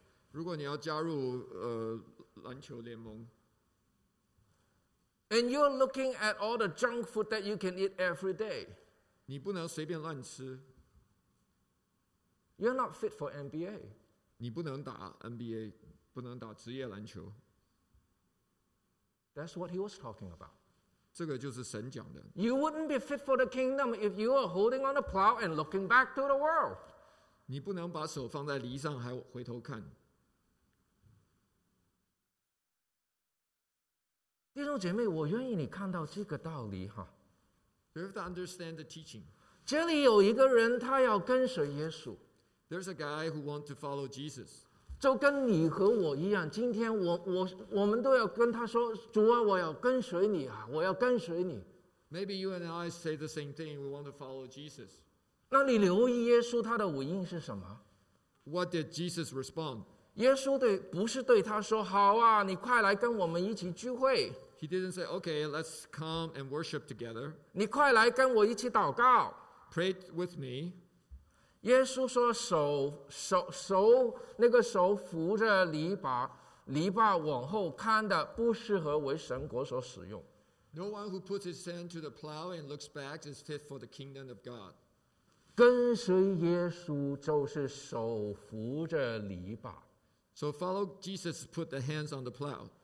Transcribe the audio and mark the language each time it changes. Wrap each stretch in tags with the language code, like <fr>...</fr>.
<zh>如果你要加入篮球联盟</zh> <en>，and you're looking at all the junk food that you can eat every day，</en> <zh>你不能随便乱吃。</zh> <en>You're not fit for NBA。</en> <zh>你不能打 NBA， 不能打职业篮球。</zh> <en>That's what he was talking about.</en> <zh>这个就是神讲的。</zh> <en>You wouldn't be fit for the kingdom if you are holding on a plow and looking back to the world.</en> <zh>你不能把手放在犁上还回头看。弟兄姐妹，我愿意你看到这个道理哈。</zh> <en>You have to understand the teaching.</en> <zh>这里有一个人，他要跟随耶稣。</zh> <en>There's a guy who wants to follow Jesus.</en> <zh>就跟你和我一样，今天我们都要跟他说，主啊，我要跟随你啊，我要跟随你。</zh> <en>Maybe you and I say the same thing. We want to follow Jesus.</en> <zh>那你留意耶稣他的回应是什么</zh> <en>？What did Jesus respond?</en> <zh>耶稣对不是对他说，好啊，你快来跟我们一起聚会。</zh> <en>He didn't say, okay, let's come and worship together.</en> <zh>你快来跟我一起祷告。</zh> <en>Pray with me.</en> <zh>耶稣说手那个手扶着篱笆往后看的不适合为神国所使用。</zh> <en>No one who puts his hand to the plow and looks back is fit for the kingdom of God.</en> <zh>跟随耶稣就是手扶着篱笆。</zh> <en>So follow Jesus, put the hands on the plow.</en>